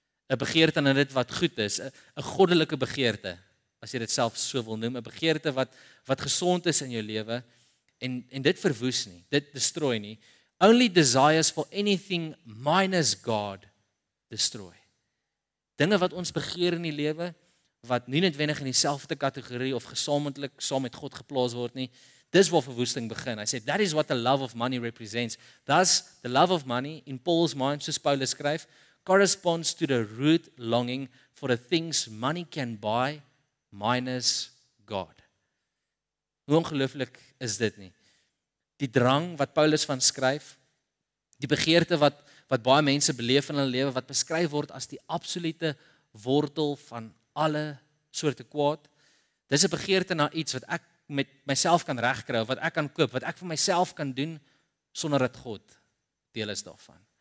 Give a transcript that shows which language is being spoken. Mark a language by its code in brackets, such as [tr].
[af] 'n Begeerte na dit wat goed is, 'n goddelike begeerte, as jy dit self so wil noem, 'n begeerte wat gesond is in jou lewe en dit verwoes nie, dit destroy nie. [en] Only desires for anything minus God destroy. [af] Dinge wat ons begeer in die lewe wat nie noodwendig in dieselfde kategorie of gesamentlik saam met God geplaas word nie, dis waar verwoesting begin. Hy sê [en] that is what the love of money represents. Thus the love of money in Paul's mind, [af] soos Paulus skryf, [en] corresponds to the root longing for the things money can buy minus God. [af] Hoe ongelooflik is dit nie? Die drang wat Paulus van skryf, die begeerte wat baie mense beleef in hulle lewe, wat beskryf word as die absolute wortel van alle soorte kwaad, dis 'n begeerte na iets wat ek met myself kan regkry, wat ek kan koop, wat ek vir myself kan doen sonder dat God deel is daarvan.